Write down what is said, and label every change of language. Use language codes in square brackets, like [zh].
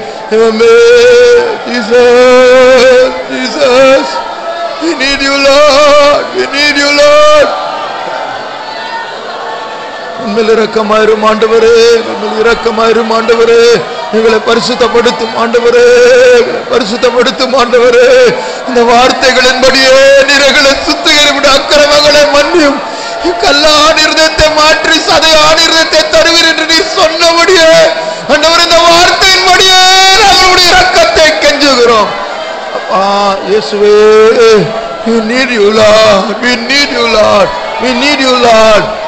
[ta] தெய்வமே, [en] Jesus, Jesus, we need you Lord, we need you Lord. [ta] உண்மையில் இரக்கமாயிரும் ஆண்டவரே, உண்மையில் இரக்கமாயிரும் ஆண்டவரே. எங்களை பரிசுத்தப்படுத்தும் ஆண்டவரே, பரிசுத்தப்படுத்தும் ஆண்டவரே. இந்த வார்த்தைகளின்படியே நிறைகளை சுத்திகரிப்பிட அக்கிரமங்களை மன்னியும். கல்லான இருதயத்தை மாற்றி சதை ஆணிருதத்தை தருவீர் என்று நீ சொன்னபடியே ஆண்டவர், இந்த வார்த்தையின்படியே நம்மளுடைய இரக்கத்தை கெஞ்சுகிறோம் அப்பா. [en] இயேசுவே, we need you Lord, we need you Lord, we need you Lord.